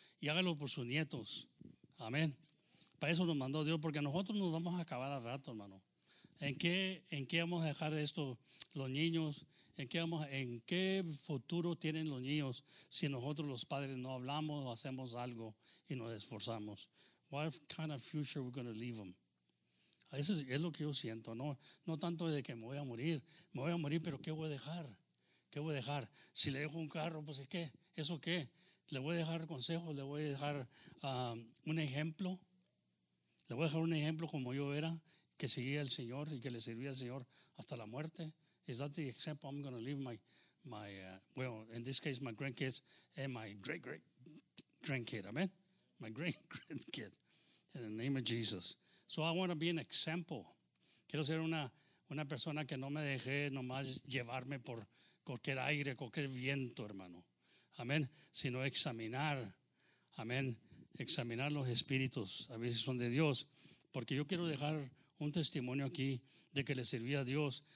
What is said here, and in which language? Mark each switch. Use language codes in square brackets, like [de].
[es] Y hágalo por sus nietos. Amén. Para eso nos mandó Dios, porque nosotros nos vamos a acabar al rato, hermano. ¿En qué vamos a dejar esto, los niños? ¿En qué futuro tienen los niños si nosotros los padres no hablamos o hacemos algo y nos esforzamos? [en] What kind of future we're going to leave them? [es] Eso es lo que yo siento, ¿no? No tanto de que me voy a morir, pero ¿qué voy a dejar? ¿Qué voy a dejar? Si le dejo un carro, pues ¿qué? ¿Eso qué? ¿Le voy a dejar consejos? ¿Le voy a dejar un ejemplo? Le voy a dejar un ejemplo como yo era, que seguía al Señor y que le servía al Señor hasta la muerte. [en] Is that the example I'm going to leave in this case, my grandkids and my great-great-grandkid, amen? My great-grandkid, in the name of Jesus. So I want to be an example. [es] Quiero ser una persona que no me dejé nomás llevarme por cualquier aire, cualquier viento, hermano. Amén. Sino examinar, amén. Examinar los espíritus, a ver si son de Dios, porque yo quiero dejar un testimonio aquí de que le servía a Dios.